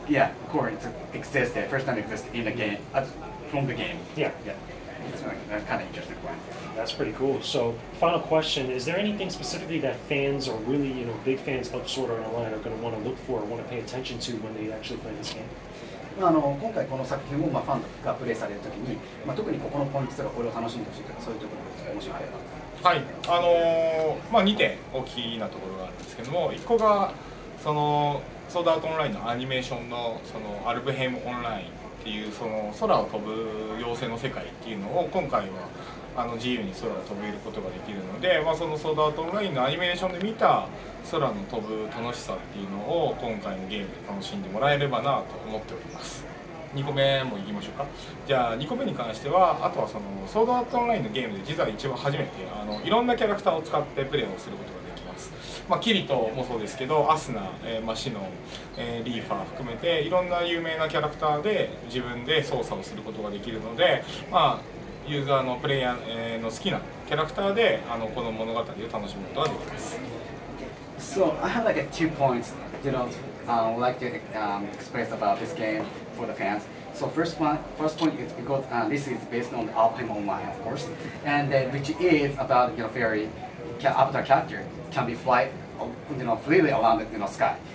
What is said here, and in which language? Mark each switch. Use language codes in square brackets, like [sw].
[en] Yeah, of course, it existed, first time it existed in the game, from the game. Yeah. It's like, kind of interesting point. That's pretty cool. So final question, is there anything specifically that fans or really, you know, big fans of Sword Art Online are going to want to look for or want to pay attention to when they actually play this game? [ja] あの今回この作品をファンがプレイされるときに、まあ、特にここのポイントとかこれを楽しんでほしいとかそういうところですもしあれば、はい、2点大きなところがあるんですけども1個がそのソードアートオンラインのアニメーション の, そのアルブヘイムオンラインっていうその空を飛ぶ妖精の世界っていうのを今回はあの自由に空を飛ぶことができるので、まあ、そのソードアートオンラインのアニメーションで見た空の飛ぶ楽しさっていうのを今回のゲームで楽しんでもらえればなと思っております。 2個目もいきましょうか。じゃあ2個目に関しては、あとはそのソードアートオンラインのゲームで実は一番初めていろんなキャラクターを使ってプレイをすることができます。まあ、キリトもそうですけど、アスナ、マシノ、リーファー含めていろんな有名なキャラクターで自分で操作をすることができるので、まあユーザーのプレイヤーの好きなキャラクターでこの物語を楽しむことができます。 [en] So I have like two points, you know, like to express about this game for the fans. So first point is because this is based on the Alphem Online, of course, and which is about, you know, fairy avatar character can be fly, you know, freely around the, you know, sky.